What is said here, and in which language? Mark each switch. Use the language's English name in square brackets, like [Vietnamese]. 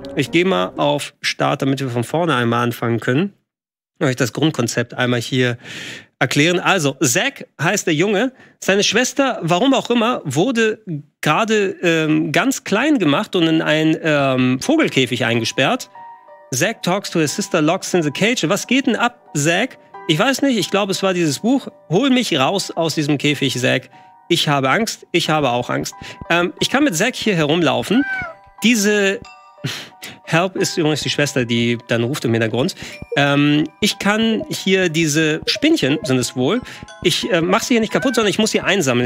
[German] Ich gehe mal auf Start, damit wir von vorne einmal anfangen können. Euch das Grundkonzept einmal hier erklären. Also, Zack heißt der Junge. Seine Schwester, warum auch immer, wurde gerade ganz klein gemacht und in einen Vogelkäfig eingesperrt. [English] Zack talks to his sister, locks in the cage. [German] Was geht denn ab, Zack? Ich weiß nicht, ich glaube, es war dieses Buch. Hol mich raus aus diesem Käfig, Zack. Ich habe Angst, ich habe auch Angst. Ich kann mit Zack hier herumlaufen. Diese Help ist übrigens die Schwester, die dann ruft im Hintergrund. Ich kann hier diese Spinnchen, sind es wohl. Ich mache sie hier nicht kaputt, sondern ich muss sie einsammeln.